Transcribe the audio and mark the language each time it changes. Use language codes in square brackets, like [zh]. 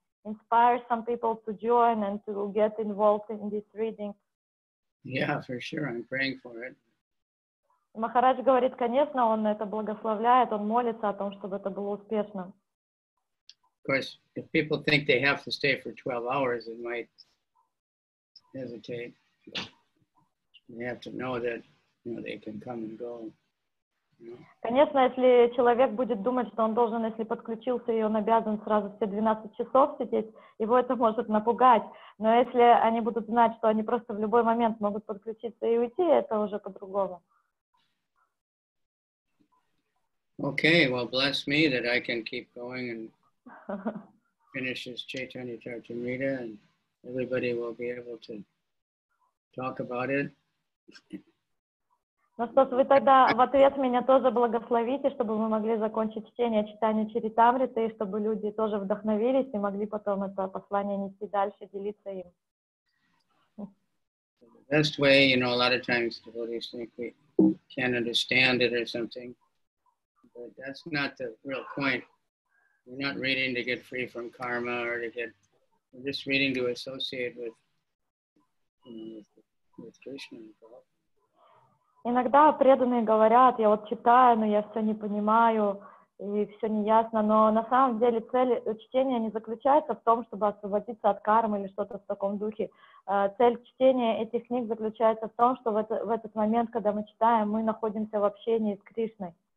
[en] Inspire some people to join and to get involved in this reading. Yeah, for sure. I'm praying for it. [ru] Махарадж говорит, конечно, он это благословляет, он молится о том, чтобы это было успешным. [en] Of course, if people think they have to stay for 12 hours, they might hesitate. They have to know that, they can come and go. [ru] Конечно, если человек будет думать, что он должен, если подключился, и он обязан сразу все 12 часов сидеть, его это может напугать. Но если они будут знать, что они просто в любой момент могут подключиться и уйти, это уже по-другому. [en] Okay, well, bless me that I can keep going and finish this Chaitanya Charitamrita, and everybody will be able to talk about it. [ru] Ну что ж, вы тогда в ответ меня тоже благословите, чтобы мы могли закончить чтение читания Чаритамриты, и чтобы люди тоже вдохновились и могли потом это послание нести дальше, делиться им. [en] The best way, you know, a lot of times devotees think we can't understand it or something, but that's not the real point. We're not reading to get free from karma or to get, we're just reading to associate with, you know, with Krishna and Prabhupada. [ru] Иногда преданные говорят, я вот читаю, но я все не понимаю, и все не ясно, но на самом деле цель чтения не заключается в том, чтобы освободиться от кармы или что-то в таком духе. Цель чтения этих книг заключается в том, что в этот момент, когда мы читаем, мы находимся в общении с Кришной.